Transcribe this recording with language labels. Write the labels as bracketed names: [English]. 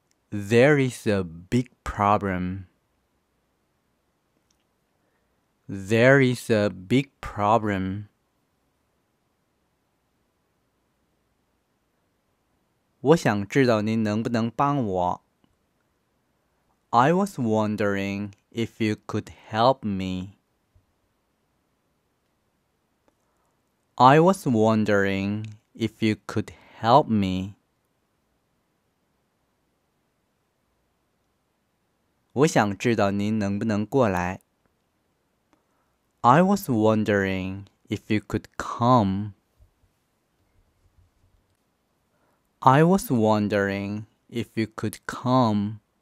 [English] There is a big problem. There is a big problem. [Chinese] 我想知道您能不能帮我。 [English] I was wondering if you could help me. I was wondering if you could help me. [Chinese] 我想知道您能不能过来。 [English] I was wondering if you could come. I was wondering if you could come.